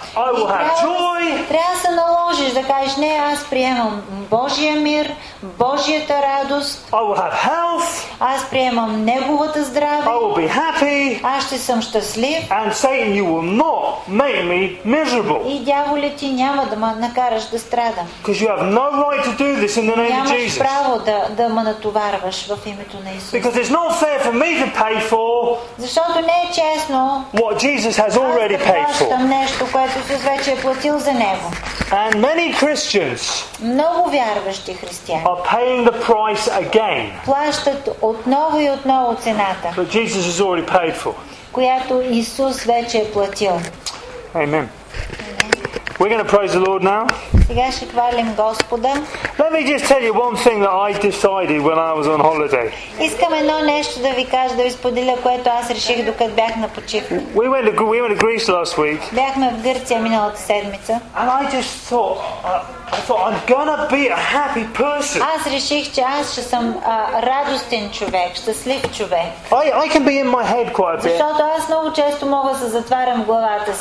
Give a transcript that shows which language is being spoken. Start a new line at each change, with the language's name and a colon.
Bulgarian: Трябва да се наложиш да кажеш, не, аз приемам Божия мир, Божията радост.
English: I will have health.
Bulgarian: Аз приемам Неговата здраве.
English: I will be happy.
Bulgarian: Аз ще съм щастлив.
English: And Satan, you will not make me miserable.
Bulgarian: И дяволе, ти няма да ме накараш да страдам.
English: Because you have no right to do this in the name of Jesus.
Bulgarian: Нямаш право да ме натоварваш в името на Исус.
English: Because it's not fair for me to pay for.
Bulgarian: Защото не е честно.
English: What Jesus has already paid for. And many Christians are paying the price again.
Bulgarian: Плащат отново и отново цената.
English: But Jesus has already paid for.
Bulgarian: Която Исус вече е платил.
English: Amen. We're going to praise the Lord now.
Bulgarian: Сега ще хвалим Господа.
English: Let me just tell you one thing that I decided when I was on holiday.
Bulgarian: Искам едно нещо да ви кажа, да ви споделя, което аз реших, докато бях на почивка.
English: We went to Greece last week.
Bulgarian: Бяхме в Гърция миналата седмица.
English: And I just thought I'm going to be a happy person.
Bulgarian: Аз реших, че аз ще съм радостен човек, щастлив човек.
English: I can be in my head quite a bit.
Bulgarian: Защото аз много често мога да затварям главата си.